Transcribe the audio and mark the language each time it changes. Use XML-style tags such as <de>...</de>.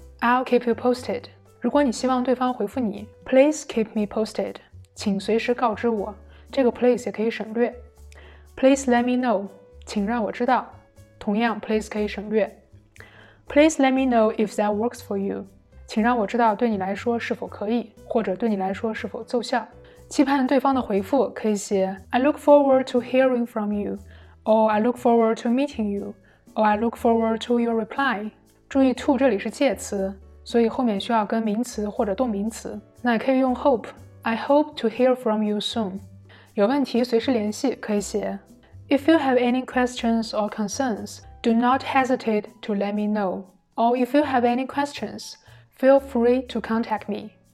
<en>I'll keep you posted.</en> <zh>如果你希望对方回复你，</zh> <en>please keep me posted.</en> <zh>请随时告知我，这个 please 也可以省略。</zh> <en>Please let me know.</en> <zh>请让我知道，同样 please 可以省略。</zh> <en>Please let me know if that works for you.</en> <zh>请让我知道对你来说是否可以，或者对你来说是否奏效。期盼对方的回复可以写</zh> <en>I look forward to hearing from you or I look forward to meeting you or I look forward to your reply。</en> <zh>注意 to 这里是介词，所以后面需要跟名词或者动名词。那可以用</zh> <en>hope I hope to hear from you soon。</en> <zh>有问题随时联系可以写</zh> <en>If you have any questions or concerns do not hesitate to let me know or if you have any questions feel free to contact me。</en>